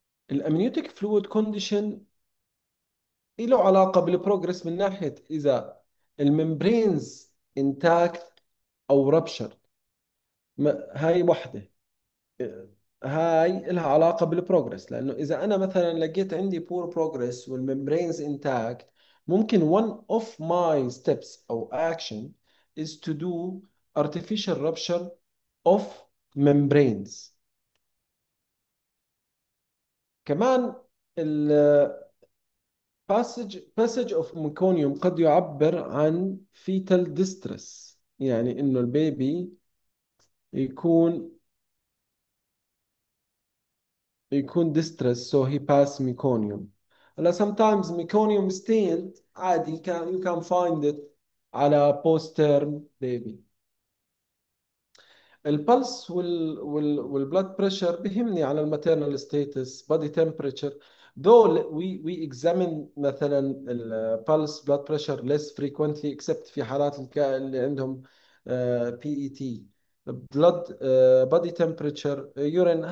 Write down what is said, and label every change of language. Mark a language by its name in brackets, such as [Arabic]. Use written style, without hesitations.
[Arabic] الامنيوتيك فلويد كونديشن له علاقه بالبروجرس من ناحيه اذا الممبرينز انتاكت او رابشر، هاي وحدة هاي لها علاقة بالبروجرس. لأنه إذا أنا مثلا لقيت عندي [English] poor progress والmembranes intact، ممكن one of my steps أو action is to do artificial rupture of membranes. كمان ال passage of meconium [Arabic] قد يعبر عن [English] fetal distress، [Arabic] يعني إنه البيبي يكون [English] distress so he passed meconium. هلا sometimes meconium stained عادي، you can find it على postterm baby. البلس وال blood pressure [Arabic] بهمني على [English] الماتيرنال status, body temperature. Though we examine مثلا البلس blood pressure less frequently except [Arabic] في حالات اللي عندهم [English] PET blood body temperature urine.